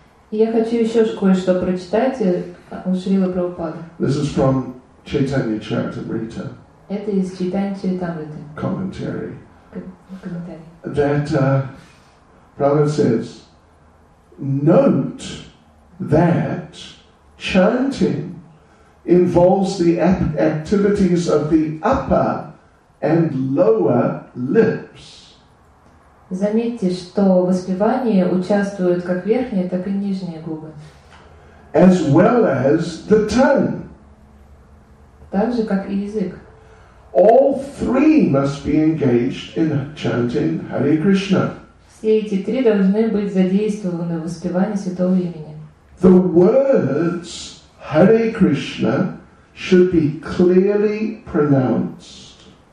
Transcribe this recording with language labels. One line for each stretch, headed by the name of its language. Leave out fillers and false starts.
Russian: Я хочу еще кое-что прочитать у Шрила Прабхупада.
English: This is from Chaitanya Charitamrita.
Russian: Это из Читания Чайтамриты.
English: Commentary. That Prabhupada says, note that chanting involves the activities of the upper and lower lips.
Russian: Заметьте, что воспевание участвует как верхние, так и нижние губы.
English: As well as the tongue.
Russian: Так же, как и язык.
English: All three must be engaged in chanting Hare Krishna.
Russian: Все эти три должны быть задействованы в воспевании святого имени.
English: The words Hare Krishna should be clearly pronounced.